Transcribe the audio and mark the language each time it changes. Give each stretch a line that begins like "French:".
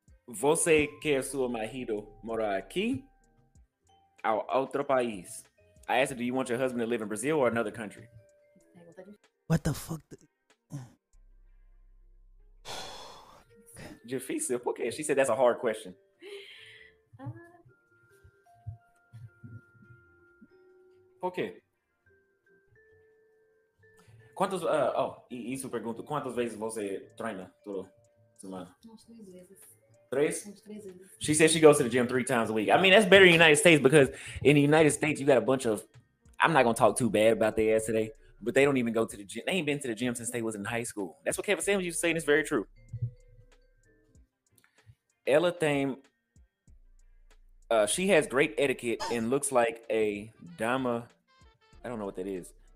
Portuguese: Você quer sua marido morar aqui ao outro país?
English: I asked her, do you want your husband to live in Brazil or another country? What the fuck? Difícil, okay. She said that's a hard question. Okay.
Portuguese: Quantos, isso pergunto, quantas vezes você treina toda semana? Três vezes.
English: She says she goes to the gym 3 times a week. I mean, that's better in the United States because in the United States, you got a bunch of, I'm not going to talk too bad about their ass today, but they don't even go to the gym. They ain't been to the gym since they was in high school. That's what Kevin Samuels used to say, and it's very true.
Portuguese: Ela tem,
English: she has great etiquette and looks like a dama, I don't know what that is.